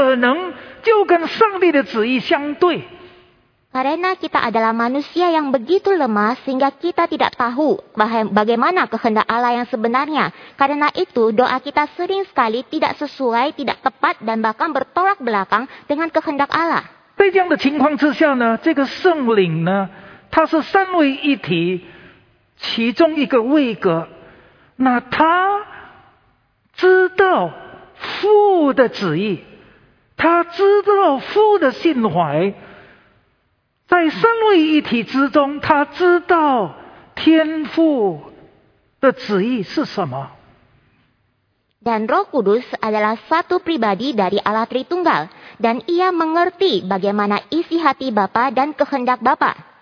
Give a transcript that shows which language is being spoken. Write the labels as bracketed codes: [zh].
[zh] 这个软弱到上帝的旨意呢，上帝的心意呢，我们不知道。我们祷告就不适当，我们祷告就不准确，我们祷告可能就跟上帝的旨意相对。 [id] Karena kita adalah manusia yang begitu lemah sehingga kita tidak tahu bagaimana kehendak Allah yang sebenarnya. Karena itu doa kita sering sekali tidak sesuai, tidak tepat dan bahkan bertolak belakang dengan kehendak Allah. [zh] 在这样的情况之下呢，这个圣灵呢，它是三位一体其中一个位格。那他知道父的旨意，他知道父的心怀。在三位一体之中，他知道天父的旨意是什么。 [id] Dan Roh Kudus adalah satu pribadi dari Allah Tritunggal, dan ia mengerti bagaimana isi hati Bapa dan kehendak Bapa.